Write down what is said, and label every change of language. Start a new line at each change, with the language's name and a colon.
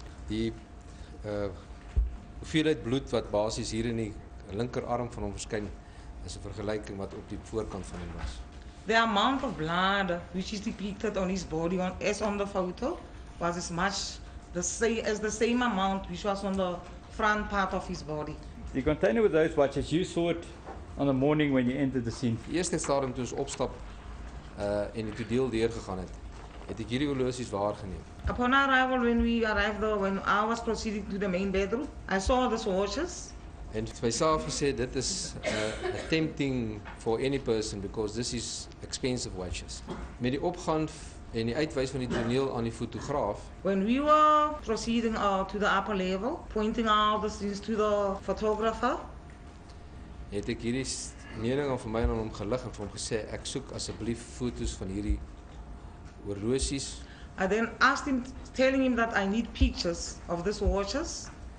Afrikaans: Die hoeveelheid bloed wat basis hier in die linkerarm van hom verskyn, is 'n vergelyking wat op die voorkant van hom was.
English: The amount of blood which is depicted on his body as on the photo was as much as the same amount which was on the front part of his body. The container with those watches, you saw it on the morning when you entered the scene.
Afrikaans: Die eerste stadium toe ons opstap en die deel deurgegaan het, het ek hierdie horlosies waargeneem.
English: Upon arrival, when we arrived there, when I was proceeding to the main bedroom, I saw those watches.
Afrikaans: En het myself gesê, dit is
English: tempting for any person because this is expensive watches.
Afrikaans: Met die opgang en die uitwys van die toneel aan die fotograaf.
English: When we were proceeding to the upper level, pointing out the things to the photographer,
Afrikaans: het ek hierdie mening van my aan hom gelig en vir hom gesê, ek soek asseblief foto's van hierdie horlosies.
English: I then asked him, telling him that I need pictures of these watches.